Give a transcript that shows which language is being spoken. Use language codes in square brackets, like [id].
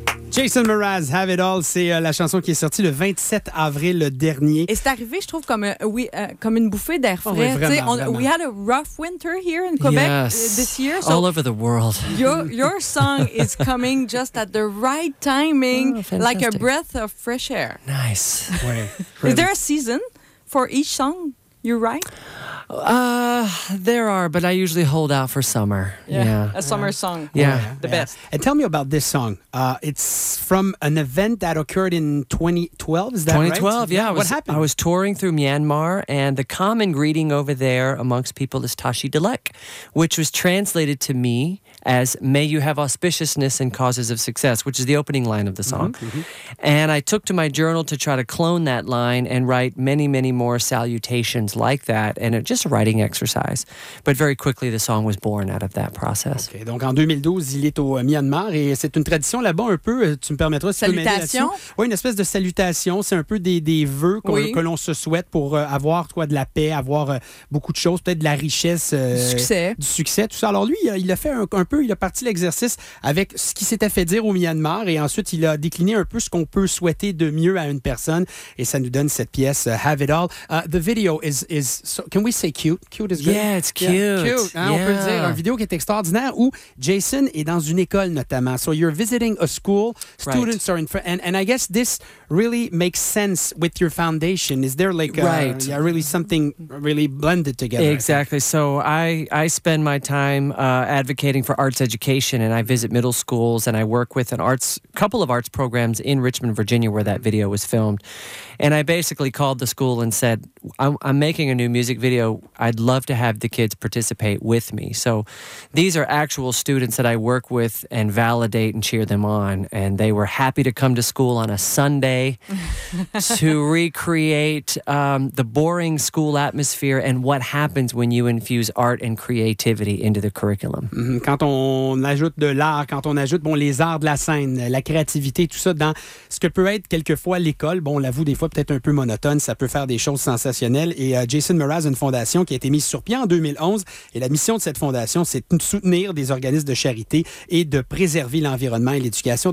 [fr] Jason Mraz, Have It All, c'est la chanson qui est sortie le 27 avril dernier. Et c'est arrivé, je trouve, comme, comme une bouffée d'air frais. Oh, oui, vraiment, on, [en] we had a rough winter here in Quebec this year. So all over the world. Your song is coming just at the right timing, oh, like a breath of fresh air. Nice. Is there a season for each song you write? There are, but I usually hold out for summer. Yeah. A summer song. Yeah. The best. And tell me about this song. It's from an event that occurred in 2012, is that 2012, 2012, yeah. What happened? I was touring through Myanmar, and the common greeting over there amongst people is Tashi Dilek, which was translated to me as "May you have auspiciousness and causes of success," which is the opening line of the song. Mm-hmm. And I took to my journal to try to clone that line and write many, many more salutations like that, and it just writing exercise. But very quickly, the song was born out of that process. [fr] Okay, donc en 2012, il est au Myanmar et c'est une tradition là-bas un peu, tu me permettras, si salutation. Oui, une espèce de salutation. C'est un peu des vœux que l'on se souhaite pour avoir, toi, de la paix, avoir beaucoup de choses, peut-être de la richesse. Du succès, tout ça. Alors lui, il a fait un peu, il a parti l'exercice avec ce qui s'était fait dire au Myanmar et ensuite, il a décliné un peu ce qu'on peut souhaiter de mieux à une personne et ça nous donne cette pièce, Have It All. [en] The video is so, can we say cute? Cute is good. Yeah, it's cute. Yeah. [fr] Cute, hein, [en] yeah. [fr] On peut le dire. Un vidéo qui est extraordinaire où Jason est dans une école notamment. [en] So you're visiting a school. Students are in front. And I guess this really makes sense with your foundation. Is there like really something really blended together? Exactly. So I spend my time advocating for arts education and I visit middle schools and I work with a couple of arts programs in Richmond, Virginia, where that video was filmed. And I basically called the school and said, I'm making a new music video. I'd love to have the kids participate with me. So these are actual students that I work with and validate and cheer them on. And they were happy to come to school on a Sunday to recreate the boring school atmosphere and what happens when you infuse art and creativity into the curriculum. Mm-hmm. [fr] Quand on ajoute de l'art, quand on ajoute les arts de la scène, la créativité, tout ça dans ce que peut être quelquefois l'école, on l'avoue des fois peut-être un peu monotone, ça peut faire des choses sensationnelles. Et Jason Mraz, une fondation qui a été mise sur pied en 2011, et la mission de cette fondation, c'est de soutenir des organismes de charité et de préserver l'environnement et l'éducation.